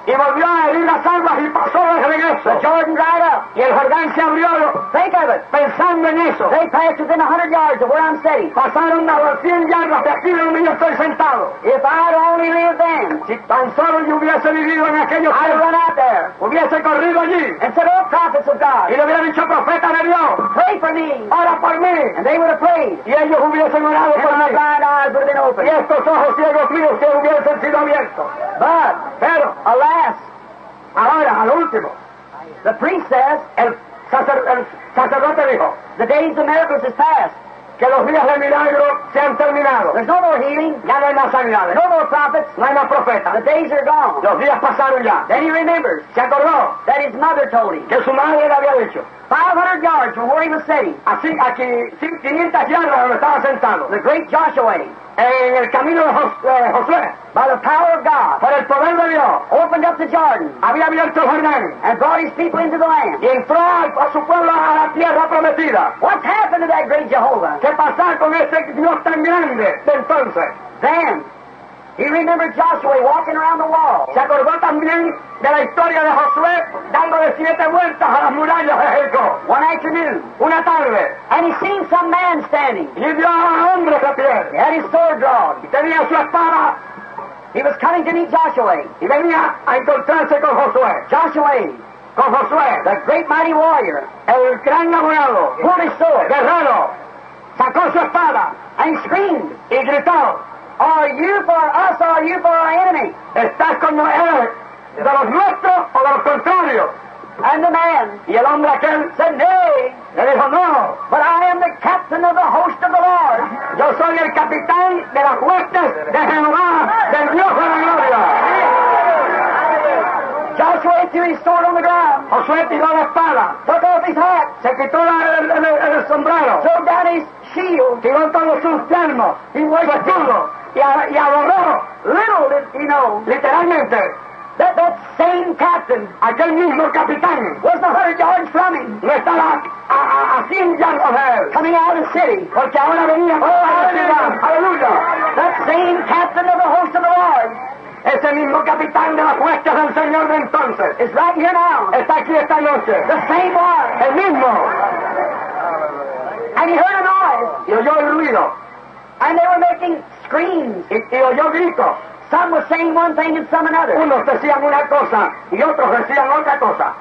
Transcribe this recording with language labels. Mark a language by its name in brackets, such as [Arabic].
[Spanish] Y volvió a herir las aguas y pasó de regreso. [English] The Jordan dried up. [Spanish] Y el Jordán se abrió. [English] Think of it. [Spanish] Pensando en eso. [English] They passed within 100 yards of where I'm sitting. [Spanish] Pasaron a las 100 yardas de aquí donde yo estoy sentado. [English] If I'd only lived then. [Spanish] Si tan solo yo hubiese vivido en aquellos tiempos, [English] I'd run out there. [Spanish] Hubiese corrido allí. [English] And said, oh, prophets of God. [Spanish] Y le hubiera dicho, profeta de Dios. [English] Pray for me. [Spanish] Ora por mí. [English] And they would have prayed. [Spanish] Y ellos hubiesen orado por mí. [English] And my blind eyes would have been opened. [Spanish] Y estos ojos ciegos míos se hubiesen sido abiertos. [English] But, [Spanish] pero, [English] alas, [Spanish] ahora, al último, [English] the priest says, [Spanish] el sacerdote dijo, [English] the days of miracles is past. [Spanish] Que los días de milagro se han terminado. [English] There's no more healing. [Spanish] Ya no hay más sanidades. [English] No more prophets. [Spanish] No hay más profetas. [English] The days are gone. [Spanish] Los días pasaron ya. [English] Then he remembers. [Spanish] Se acordó. [English] That his mother told him. [Spanish] Que su madre le había dicho. [English] 500 yards from where he was sitting. [Spanish] Así, aquí, 500 yardas donde estaba sentado. [English] The great Joshua. [Spanish] En el camino de Josué. [English] By the power of God. [Spanish] Por el poder de Dios. [English] Opened up the Jordan. [Spanish] Había abierto el Jordán. [English] And brought his people into the land. [Spanish] Y entró a su pueblo a la tierra prometida. [English] What's happened to that great Jehovah? [Spanish] ¿Qué pasó con ese Dios tan grande de entonces? [English] Then, he remembered Joshua walking around the wall. [Spanish] Se acordó también de la historia de Josué dando de 7 vueltas a las murallas de Jericó. [English] One afternoon. [Spanish] Una tarde. [English] And he seen some man standing. [Spanish] Y vio a un hombre de pie. [English] He had his sword drawn. [Spanish] Y tenía su espada. [English] He was coming to meet Joshua. [Spanish] Y venía a encontrarse con Josué. [English] Joshua. [Spanish] Con Josué. [English] The great mighty warrior. [Spanish] El gran abogado. [English] Who is sword. [Spanish] Guerrero. sacó su espada [English] and screamed. [Spanish] Y gritó, [English] are you for us or are you for our enemy? [Spanish] ¿Estás con nosotros de los nuestros o de los contrarios? [English] And the man, [Spanish] y el hombre aquel, [English] said, nay, [Spanish] le dijo, no, [English] but I am the captain of the host of the Lord. [Spanish] Yo soy el capitán de las huestes de Jehová, del Dios de la gloria. [English] Joshua threw his sword on the ground. [Spanish] Josué tiró la espada. [English] Took off his hat. [Spanish] Se quitó el sombrero. [English] Took down his shield. [Spanish] Tiró todos sus yelmos. [English] He was [Spanish] escudo. Y adoró. [English] Little did he know. [Spanish] Literalmente. [English] That same captain, [Spanish] aquel mismo capitán, [English] was 100 yards from him. [Spanish] No estaba a 100 [English] yards of him. Coming out of the city, [Spanish] porque ahora venía. [English] Oh, hallelujah! [Spanish] Hallelujah! [English] That same captain of the host of the Lord. [Spanish] Ese mismo capitán de las huestes del Señor de entonces. [English] Is right here now. [Spanish] Está aquí esta noche. [English] The same one. [Spanish] El mismo. [English] And he heard a noise. [Spanish] Y oyó el ruido. [English] And they were making screams. [Spanish] Y oyó grito. [English] Some were saying one thing and some another. [Spanish] Unos decían una cosa y otros decían otra cosa.